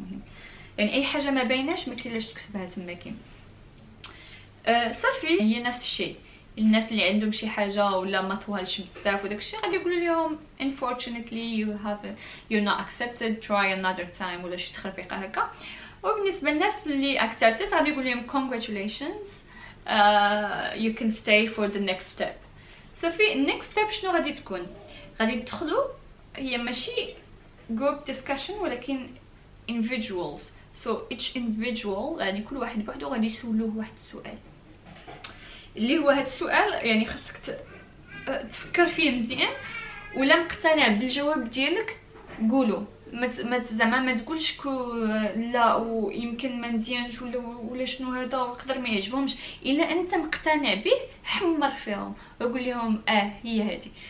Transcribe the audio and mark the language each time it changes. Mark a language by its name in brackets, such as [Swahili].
[Arabic] المهم يعني اي حاجه ما بايناش ما كاينلاش تكتبها تما كاين صافي. هي نفس الشيء الناس اللي عندهم شي حاجه ولا ما طوالش بزاف وداك الشيء غادي يقولوا لهم [English] unfortunately you have you're not accepted try another time [Arabic] ولا شي تخربيقه هكا. وبالنسبه للناس اللي accepted غادي يقول لهم [English] congratulations you can stay for the next step. [Arabic] صافي [English] next step [Arabic] شنو غادي تكون؟ غادي تدخلوا هي ماشي [English] group discussion [Arabic] ولكن [English] individuals so each individual [Arabic] يعني كل واحد بوحدو غادي يسولوه واحد السؤال اللي هو هاد السؤال يعني خاصك تفكر فيه مزيان ولا مقتنع بالجواب ديالك قولو، ما زعما ما تقولش لا ويمكن ما نديانش ولا شنو هذا وقدر ما يعجبهمش، الا انت مقتنع به حمر فيهم وقول لهم اه هي هادي.